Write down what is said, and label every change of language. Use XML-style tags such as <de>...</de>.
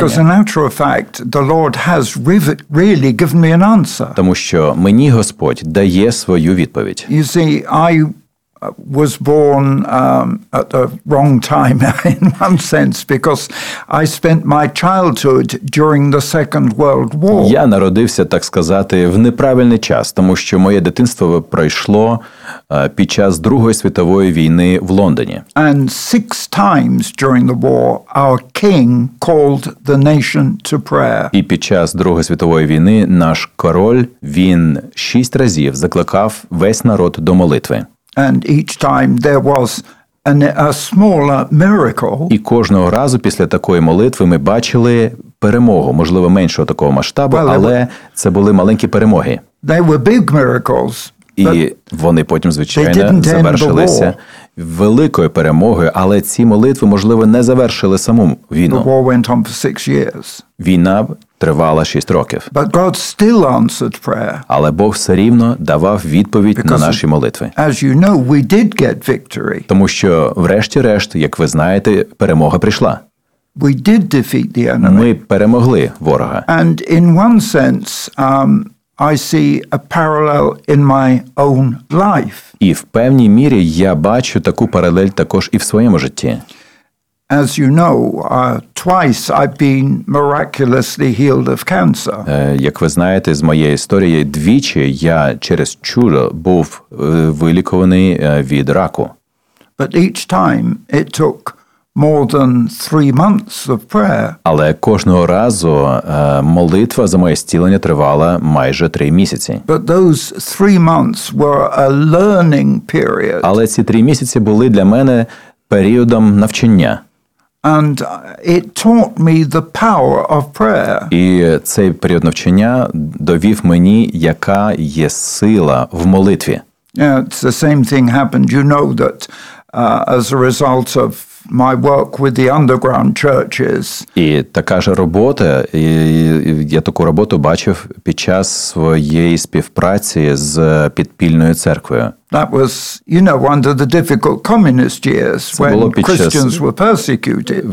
<en>Because in actual fact, the Lord has really given me an answer.</en> <uk>Тому що мені Господь дає свою відповідь.</uk> <en>You see, I was born at the wrong time in one sense because I spent my childhood during the Second World War.</en> <uk>Я народився, так сказати, в неправильний час, тому що моє дитинство пройшло під час Другої світової війни в Лондоні.</uk> <en>And six times during the war our king called the nation to prayer.</en> <uk>І під час Другої світової війни наш король, він 6 разів закликав весь народ до молитви.</uk> <en>And each time there was a smaller miracle.</en> <uk>І кожного разу після такої молитви ми бачили перемогу, можливо, меншого такого масштабу, але це були маленькі перемоги.</uk> <en>They were big miracles.</en> <uk>І вони потім, звичайно, завершилися великою перемогою, але ці молитви, можливо, не завершили саму війну.</uk> <en>The war went on for 6 years.</en> <uk>Війна тривала 6 років.</uk> <en>But God still answered prayer.</en> <uk>Але Бог все рівно давав відповідь</uk> <en>Because,</en> <uk>на наші молитви.</uk> <en>As you know, we did get victory.</en> <uk>Тому що, врешті-решт, як ви знаєте, перемога прийшла.</uk> <en>We did defeat the enemy.</en> <uk>Ми перемогли ворога.</uk> <en>And in one sense, I see a parallel in my own life.</en> <uk>І в певній мірі я бачу таку паралель також і в своєму житті.</uk> <en>As you know, twice I've been miraculously healed of cancer.</en> <uk>Як ви знаєте, з моєї історії двічі я через чудо був вилікований від раку.</uk> <en>But each time it took more than 3 months of prayer.</en> <uk>Але кожного разу молитва за моє зцілення тривала майже 3 місяці.</uk> <en>But those 3 months were a learning period.</en> <uk>Але ці 3 місяці були для мене періодом навчання.</uk> <en>And it taught me the power of prayer.</en> <uk>І цей період навчання довів мені, яка є сила в молитві.</uk> <en>Yeah, it's the same thing happened. You know that as a result of my work with the underground churches.</en> <uk>І така ж робота, я таку роботу бачив під час своєї співпраці з підпільною церквою.</uk> <en>That was, you know, under the difficult communist years when Christians were persecuted.</en>